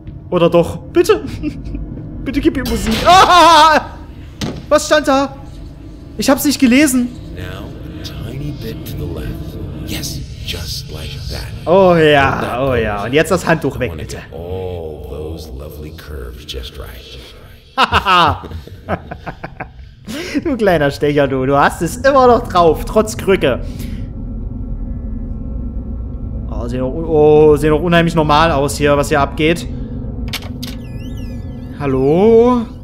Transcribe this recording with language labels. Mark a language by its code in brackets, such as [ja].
[de] Oder doch? Bitte! Bitte gib mir Musik! Ah! Was stand da? Ich hab's nicht gelesen. [en] Now, tiny bit to the left. Yes, just like that. [de] Oh ja, oh ja. Und jetzt das Handtuch weg, bitte. [en] All those lovely curves just right. [de] Du kleiner Stecher, du hast es immer noch drauf, trotz Krücke. Oh, sehen noch unheimlich normal aus hier, was hier abgeht. Hallo?